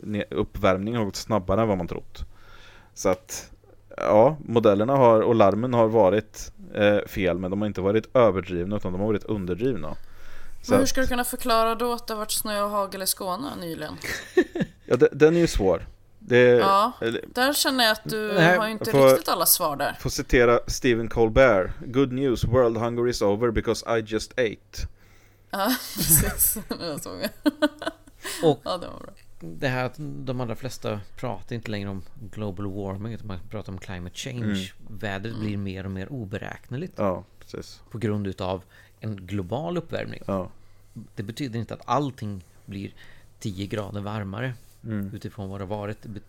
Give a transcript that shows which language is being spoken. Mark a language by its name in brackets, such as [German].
[Swedish] Uppvärmningen har gått snabbare än vad man trott. Så att ja, modellerna har och larmen har varit fel, men de har inte varit överdrivna utan de har varit underdrivna. Så men hur ska du kunna förklara då att det har varit snö och hagel i Skåne nyligen? Ja, den är ju svår. Där känner jag att du har inte riktigt alla svar där. Får citera Stephen Colbert. [English] Good news, world hunger is over because I just ate. [Swedish] Ja, precis. Det såg jag. Och ja, det var bra. Det här att de allra flesta pratar inte längre om global warming utan man pratar om climate change. Mm. Vädret blir mer och mer oberäkneligt. Ja, precis. På grund av en global uppvärmning. Ja. Det betyder inte att allting blir 10 grader varmare utifrån vad det har varit.